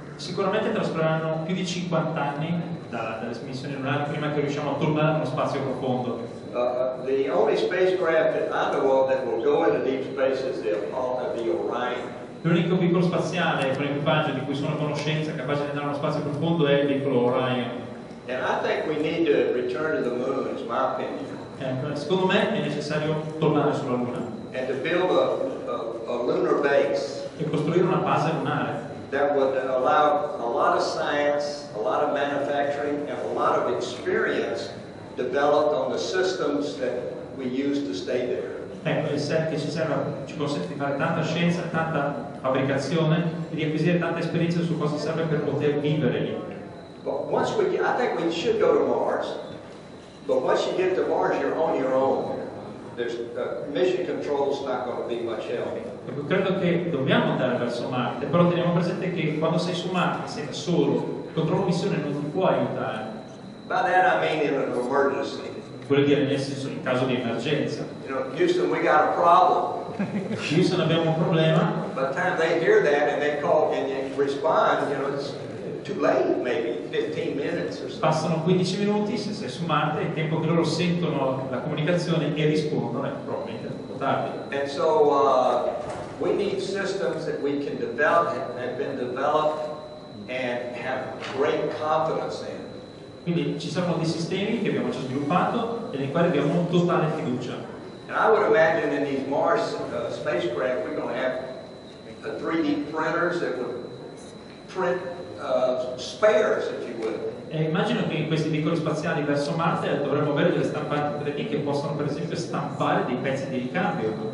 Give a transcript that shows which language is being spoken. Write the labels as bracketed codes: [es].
[it] Sicuramente trascorreranno più di 50 anni dalla missione lunare prima che riusciamo a tornare nello spazio profondo. [en] The only spacecraft that I know of that will go into deep space is the Orion. [it] L'unico veicolo spaziale con equipaggio di cui sono a conoscenza capace di andare nello spazio profondo è il veicolo Orion. [en] And I think we need to return to the moon, is my opinion. [it] Secondo me è necessario tornare sulla Luna. [en] And to build a lunar base. [it] E costruire una base lunare. [en] That would allow a lot of science, a lot of manufacturing, and a lot of experience developed on the systems that we use to stay there. [it] Ecco, il set che ci serve ci consente di fare tanta scienza, tanta fabbricazione e di acquisire tanta esperienza su cosa serve per poter vivere lì. [en] But once we get, I think we should go to Mars. But once you get to Mars, you're on your own. Mission control is not going to be much help. [it] Ecco, credo che dobbiamo andare verso Marte, però teniamo presente che quando sei su Marte sei da solo, il controllo missione non ti può aiutare. [en] By that I mean in an emergency. [it] Vuol dire nel senso in caso di emergenza. [en] You know, Houston, we got a problem. [it] Houston, abbiamo un problema. [en] By the time they hear that and they call and you respond, you know, it's too late, maybe 15 minutes or so. [it] Passano 15 minuti se sei su Marte, il tempo che loro sentono la comunicazione e rispondono è probabilmente troppo tardi. [en] And so we need systems that we can develop and have been developed and have great confidence in. [it] Quindi ci sono dei sistemi che abbiamo già sviluppato e nei quali abbiamo totale fiducia. [en] And I would imagine in these Mars spacecraft we're going to have the 3D printers that would print spares, if you would. [it] E immagino che in questi veicoli spaziali verso Marte dovremmo avere delle stampanti 3D che possono per esempio stampare dei pezzi di ricambio.